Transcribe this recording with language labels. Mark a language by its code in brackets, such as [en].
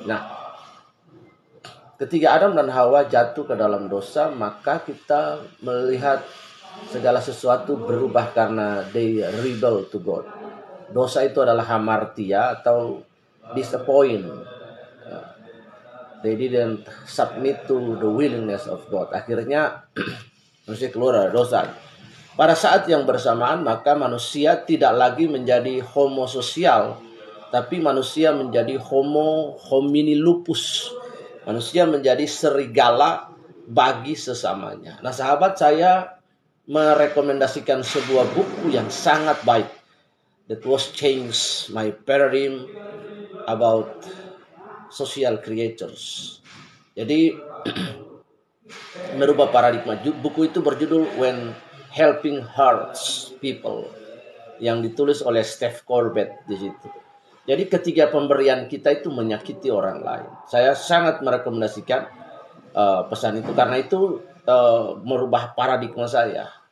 [id] Nah, ketika Adam dan Hawa jatuh ke dalam dosa, maka kita melihat segala sesuatu berubah karena [en] they rebel to God. [id] Dosa itu adalah hamartia atau disappoint. [en] They didn't submit to the willingness of God. [id] Akhirnya manusia keluar dari dosa. Pada saat yang bersamaan, maka manusia tidak lagi menjadi homo sosial, tapi manusia menjadi homo homini lupus. Manusia menjadi serigala bagi sesamanya. Nah, sahabat, saya merekomendasikan sebuah buku yang sangat baik. [en] That was changed my paradigm about social creatures. [id] Jadi, merubah paradigma. Buku itu berjudul When Helping Hurts People, yang ditulis oleh Steve Corbett di situ. Jadi ketiga pemberian kita itu menyakiti orang lain. Saya sangat merekomendasikan pesan itu karena itu merubah paradigma saya.